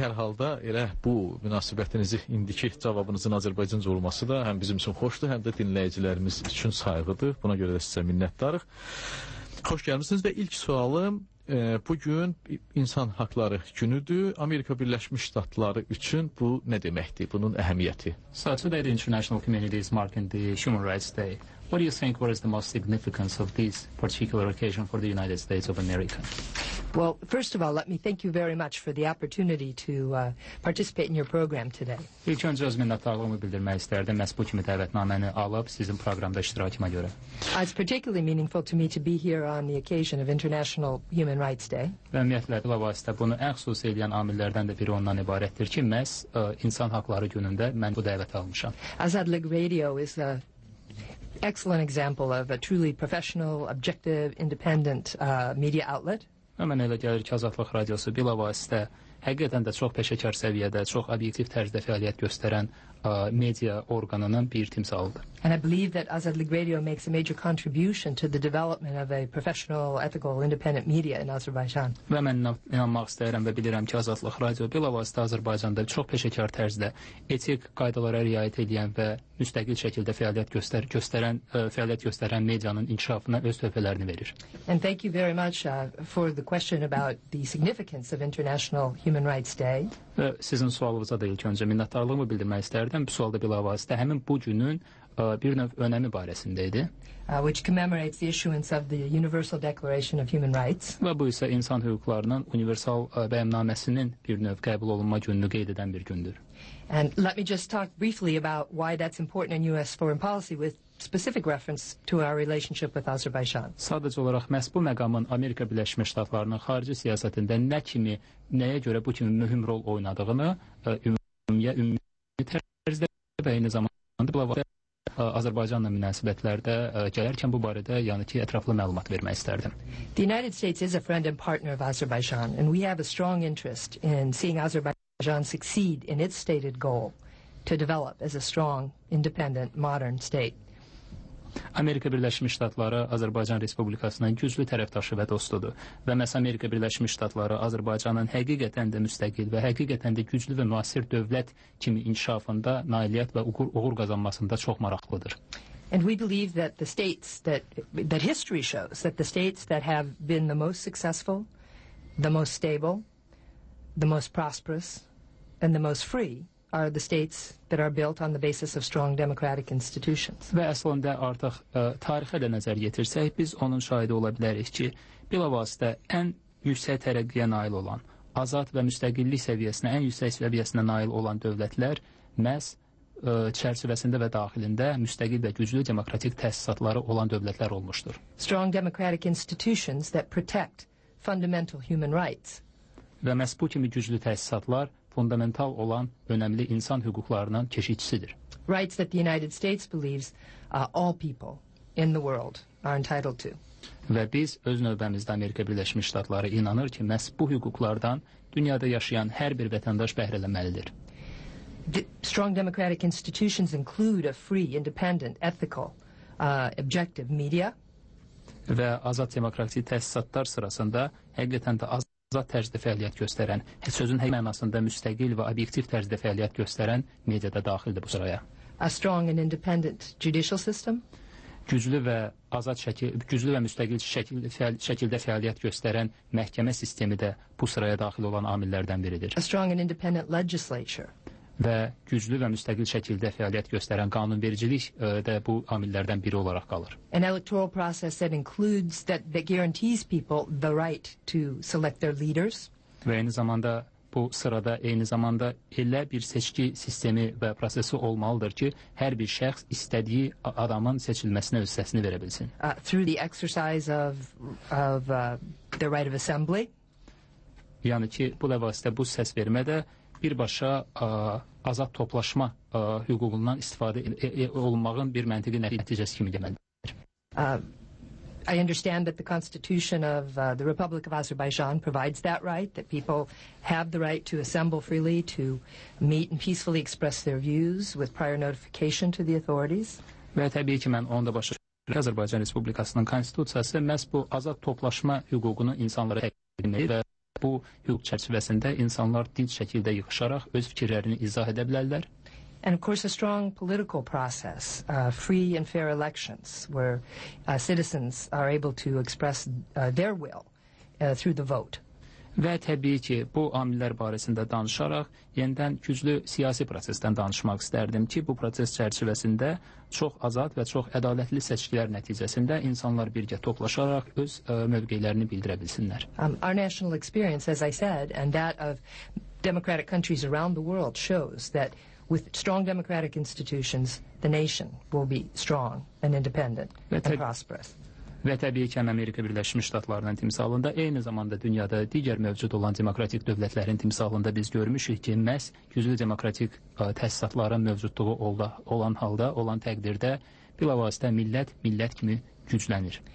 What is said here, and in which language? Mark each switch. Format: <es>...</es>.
<az>Hər halda elə bu münasibətinizi indiki cavabınızın Azərbaycanca olması da həm bizim üçün xoşdur, həm də dinləyicilərimiz üçün sayğıdır. Buna görə də sizə minnətdarıq. Xoş gəlmişsiniz və ilk sualım, bugün insan haqları günüdür. Amerika Birləşmiş Ştatları üçün bu nə deməkdir, bunun əhəmiyyəti?</az> <en>So, today the international community is marking the Human Rights Day. What do you think, what is the most significance of this particular occasion for the United States of America? Well, first of all, let me thank you very much for the opportunity to participate in your program today.</en> <az>İlk öncə öz minnətdarlığımı bildirmək istərdim, məhz bu kimi dəvətnaməni alıb sizin proqramda iştirakıma görə.</az> <en>It's particularly meaningful to me to be here on the occasion of International Human Rights Day.</en> <az>Və ümumiyyətlə, bu vasitə bunu ən xüsus edən amillərdən də biri ondan ibarətdir ki, məhz insan haqları günündə mən bu dəvəti almışam.</az> <en>Azadlıq Radio is a excellent example of a truly professional, objective, independent media outlet.</en> <az>Mən elə gəlir ki, Azadlıq Radiosu bilavasitə həqiqətən də çox peşəkar səviyyədə, çox obyektiv tərzdə fəaliyyət göstərən media orqanının bir timsalıdır.</az> <en>And I believe that Azadlıq Radio makes a major contribution to the development of a professional, ethical, independent media in Azerbaijan.</en> <az>Və mən inanmaq istəyirəm və bilirəm ki, Azadlıq Radio bilavasitə Azərbaycanda çox peşəkar tərzdə etik qaydalara riayət edən və müstəqil şəkildə fəaliyyət göstərən medianın inkişafına öz töhfələrini verir.</az> <en>And thank you very much for the question about the significance of International Human Rights Day.</en> <az>Və sizin sualınıza da ilk öncə minnətdarlığımı bildirmək istərdim. Bu sualda bilavasitə həmin bu günün bir növ önəmi barəsində idi.</az> <en>Which commemorates the issuance of the Universal Declaration of Human Rights.</en> <az>Və bu isə insan hüquqlarının universal bəyannaməsinin bir növ qəbul olunma gününü qeyd edən bir gündür.</az> <en>And let me just talk briefly about why that's important in US foreign policy with specific reference to our relationship with Azerbaijan.</en> <az>Sadəcə olaraq məhz bu məqamın Amerika Birləşmiş Ştatlarının xarici siyasətində nə kimi, nəyə görə bu kimi mühüm rol oynadığını ümumi tərzdə və eyni zamanda bu vaxtda Azərbaycanla münasibətlərdə gələrkən bu barədə yəni ki ətraflı məlumat vermək istərdim.</az> <en>The United States is a friend and partner of Azerbaijan and we have a strong interest in seeing Azerbaijan succeed in its stated goal to develop as a strong, independent, modern state.</en> <az>Amerika Birləşmiş Ştatları Azərbaycan Respublikasının güclü tərəfdaşı və dostudur. Və məhz Amerika Birləşmiş Ştatları Azərbaycanın həqiqətən də müstəqil və həqiqətən də güclü və müasir dövlət kimi inkişafında, nailiyyət və uğur qazanmasında çox maraqlıdır.</az> <en>And we believe that the states that history shows that the states that have been the most successful, the most stable, the most prosperous and the most free are the states that are built on the basis of strong democratic institutions.</en> <az>Və əslində artıq tarixə də nəzər yetirsək, biz onun şahidi ola bilərik ki, bilavasitə ən yüksək tərəqqiyə nail olan, azad və müstəqillik səviyyəsinə, ən yüksək səviyyəsinə nail olan dövlətlər məhz çərçivəsində və daxilində müstəqil və güclü demokratik təsisatları olan dövlətlər olmuşdur.</az> <en>Strong democratic institutions that protect fundamental human rights.</en> <az>Və məhz bu kimi güclü təsisatlar fundamental olan önəmli insan hüquqlarının keşikçisidir.</az> <en>Rights that the United States believes all people in the world are entitled to.</en> <az>Və biz öz növbəmizdə Amerika Birləşmiş Ştatları inanır ki, məhz bu hüquqlardan dünyada yaşayan hər bir vətəndaş bəhrələnməlidir.</az> <en>Strong democratic institutions include a free, independent, ethical, objective media.</en> <az>Və azad demokratik təsisatlar sırasında həqiqətən də azad tərzdə fəaliyyət göstərən, sözün həqiqət mənasında müstəqil və obyektiv tərzdə fəaliyyət göstərən media da daxildir bu sıraya.</az> <en>A strong and independent judicial system.</en> <az>Güclü və azad güclü və müstəqil şəkildə fəaliyyət göstərən məhkəmə sistemi də bu sıraya daxil olan amillərdən biridir.</az> <en>A strong and independent legislature.</en> <az>Və güclü və müstəqil şəkildə fəaliyyət göstərən qanunvericilik də bu amillərdən biri olaraq qalır.</az> <en>An electoral process that includes that guarantees people the right to select their leaders.</en> <az>Və eyni zamanda bu sırada eyni zamanda elə bir seçki sistemi və prosesi olmalıdır ki, hər bir şəxs istədiyi adamın seçilməsinə öz səsini verə bilsin.</az> <en>Through the exercise of the right of assembly.</en> <az>Yəni ki, bu vasitə bu səs vermə də birbaşa azad toplaşma hüququndan istifadə olunmağın bir məntiqi nəticəsi kimi deməlidir.</az> <en>I understand that the Constitution of the Republic of Azerbaijan provides that right, that people have the right to assemble freely, to meet and peacefully express their views with prior notification to the authorities.</en> <az>Və təbii ki, mən onda başa düşürəm. Azərbaycan Respublikasının konstitusiyası məhz bu azad toplaşma hüququnu insanlara təqdim edir və bu hüquq çərçivəsində insanlar dinc şəkildə yığışaraq öz fikirlərini izah edə bilərlər.</az> <en>And of course a strong political process, free and fair elections where citizens are able to express their will through the vote.</en> <az>Və təbii ki, bu amillər barəsində danışaraq yenidən güclü siyasi prosesdən danışmaq istərdim ki, bu proses çərçivəsində çox azad və çox ədalətli seçkilər nəticəsində insanlar birgə toplaşaraq öz mövqelərini bildirə bilsinlər.</az> <en>Our national experience, as I said, and that of democratic countries around the world shows that with strong democratic institutions, the nation will be strong and independent and prosperous.</en> <az>Və təbii ki, Amerika Birləşmiş Ştatlarının timsalında, eyni zamanda dünyada digər mövcud olan demokratik dövlətlərin timsalında biz görmüşük ki, məhz güclü demokratik təsisatların mövcudluğu olan halda, olan təqdirdə bilavasitə millət kimi güclənir.</az>